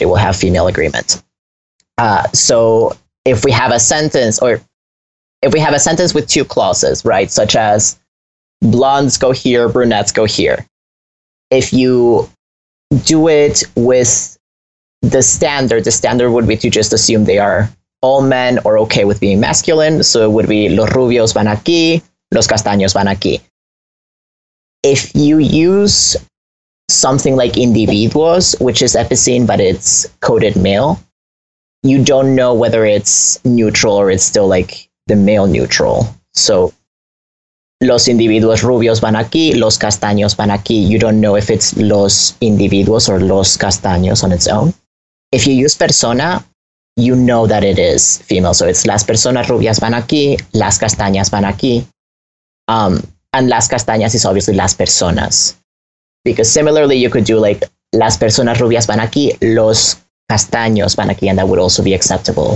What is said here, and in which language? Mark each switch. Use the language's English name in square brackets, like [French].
[English] It will have female agreement. So if we have a sentence with two clauses, right, such as blondes go here, brunettes go here. If you do it with the standard would be to just assume they are all men are okay with being masculine. So it would be [Spanish] los rubios van aquí, los castaños van aquí. [English] If you use something like individuos, which is epicene, but it's coded male, you don't know whether it's neutral or it's still like the male neutral. [Spanish] So los individuos rubios van aquí, los castaños van aquí. [English] You don't know if it's los individuos or los castaños on its own. If you use persona, you know that it is female. So it's [Spanish] las personas rubias van aquí, [English] las castañas van aquí. And las castañas is obviously [Spanish] las personas. Because similarly, you could do like las personas rubias van aquí, [English] los castaños van aquí, and that would also be acceptable.